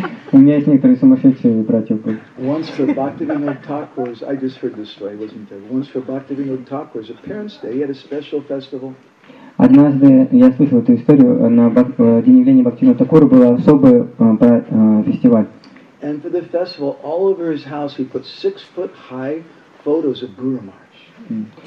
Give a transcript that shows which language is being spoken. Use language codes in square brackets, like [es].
[ru] У меня есть некоторые сумасшедшие братья. [en] Once for Bhaktivinoda Thakur's, I just heard this story, wasn't there? Once for Bhaktivinoda Thakur's appearance day, he had a special festival. [ru] Однажды я слышал эту историю, на день явления Бхактивинода Такура был особый фестиваль. [en] And for the festival, all over his house he put 6-foot high photos of Guru Maharaj.